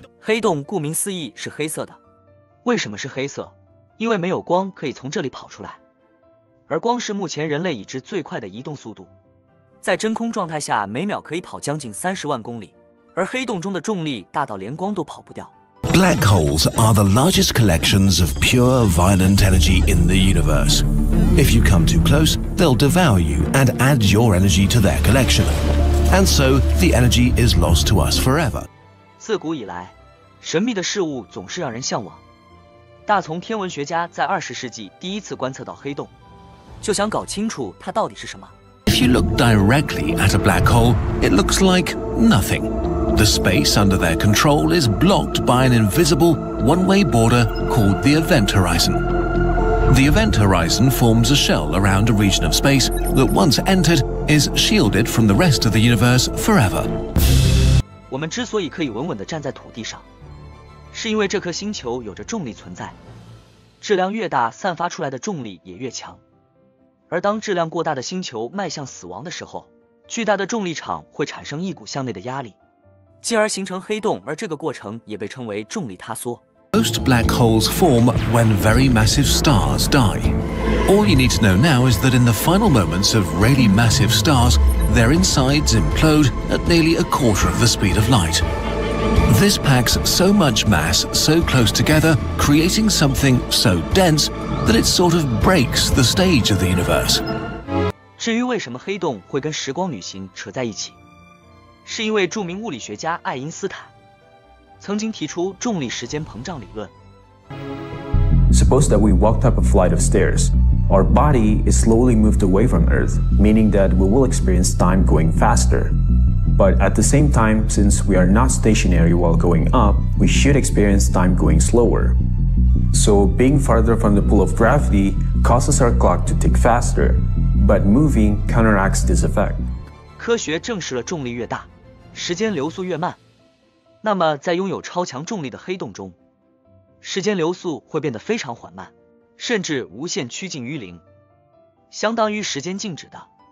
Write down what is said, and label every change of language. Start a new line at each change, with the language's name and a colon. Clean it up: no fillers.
Chinese: 黑洞顾名思义是黑色的。为什么是黑色？因为没有光可以从这里跑出来。而光是目前人类已知最快的移动速度。在真空状态下，每秒可以跑将近30万公里，而黑洞中的重力大到连光都跑不掉。
English: Black holes are the largest collections of pure, violent energy in the universe. If you come too close, they'll devour you and add your energy to their collection. And so, the energy is lost to us forever.
Chinese: 自古以来，神秘的事物总是让人向往。大从天文学家在20世纪第一次观测到黑洞，就想搞清楚它到底是什么。
English: If you look directly at a black hole, it looks like nothing. The space under their control is blocked by an invisible one-way border called the event horizon. The event horizon forms a shell around a region of space that once entered is shielded from the rest of the universe forever.
Chinese: 我们之所以可以稳稳地站在土地上，是因为这颗星球有着重力存在。质量越大，散发出来的重力也越强。而当质量过大的星球迈向死亡的时候，巨大的重力场会产生一股向内的压力。进而形成黑洞，而这个过程也被称为重力塌缩。
English: Most black holes form when very massive stars die. All you need to know now is that in the final moments of really massive stars, their insides implode at nearly a quarter of the speed of light. This packs so much mass so close together, creating something so dense that it sort of breaks the stage of the universe.
Chinese: 至于为什么黑洞会跟时光旅行扯在一起？是因为著名物理学家爱因斯坦曾经提出重力时间膨胀理论。
English: Suppose that we walked up a flight of stairs. Our body is slowly moved away from Earth, meaning that we will experience time going faster. But at the same time, since we are not stationary while going up, we should experience time going slower. So being farther from the pull of gravity causes our clock to tick faster, but moving counteracts this effect.
Chinese: 科学证实了重力越大，时间流速越慢。那么在拥有超强重力的黑洞中，时间流速会变得非常缓慢，甚至无限趋近于零，相当于时间静止的。